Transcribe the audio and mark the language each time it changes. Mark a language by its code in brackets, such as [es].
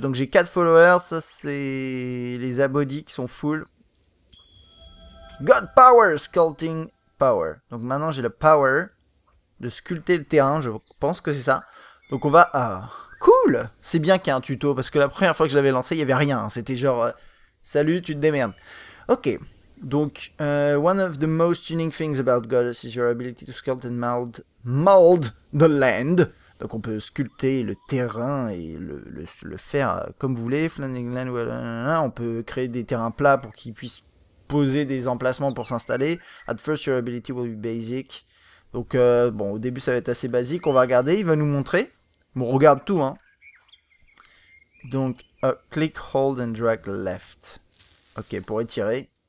[fr] Donc j'ai 4 followers. Ça, c'est les abodis qui sont full. [en] God power, sculpting power. [fr] Donc maintenant j'ai le power. De sculpter le terrain, je pense que c'est ça. Donc on va. Ah, Cool! C'est bien qu'il y ait un tuto, parce que la première fois que je l'avais lancé, il n'y avait rien. C'était genre, salut, tu te démerdes. Ok. [en] Donc, one of the most unique things about Goddess is your ability to sculpt and mold the land. [fr] Donc, on peut sculpter le terrain et le faire comme vous voulez. On peut créer des terrains plats pour qu'ils puissent poser des emplacements pour s'installer. [en] At first, your ability will be basic. [fr] Donc, bon, au début, ça va être assez basique. On va regarder. Il va nous montrer. Bon, on regarde tout, hein. Donc, [en] click, hold and drag left. [fr] Ok, pour étirer.